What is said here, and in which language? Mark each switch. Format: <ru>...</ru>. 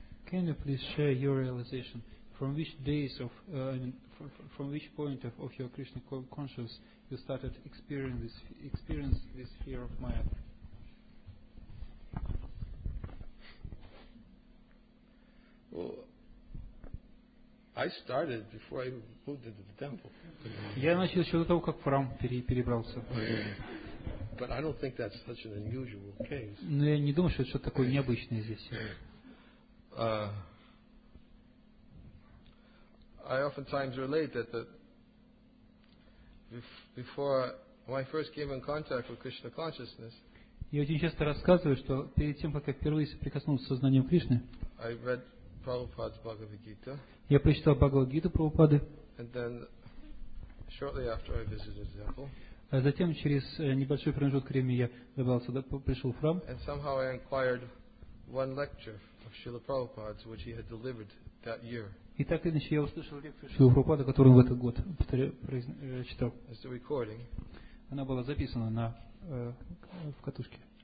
<en>Can you please share your realization? From which days of, from which point of your Krishna consciousness you started experience this fear of Maya? Well, I started before I moved into the temple.</en> <ru>Я начал еще до того, как в храм перебрался.</ru> <en>But I don't think that's such an unusual case.</en> <ru>Но я не думаю, что это что-то такое необычное здесь.</ru> <en>I oftentimes relate that before when I first came in contact with Krishna consciousness,</en> <ru>я очень часто рассказываю, что перед тем, как я впервые соприкоснулся с сознанием Кришны,</ru> <en>I read Prabhupada's Bhagavad Gita.</en> <ru>Я прочитал Бхагавад Гиту Прабхупады.</ru> <en>And then shortly after I visited the temple.</en> <ru>А затем через небольшой промежуток времени я добрался до пришел в храм.</ru> <en>And somehow I inquired one lecture of Srila Prabhupada's which he had delivered that year.</en> <ru>И так иначе я услышал лекцию Шрилы Прабхупады, которую он в этот год читал. Она была записана на в катушке.</ru>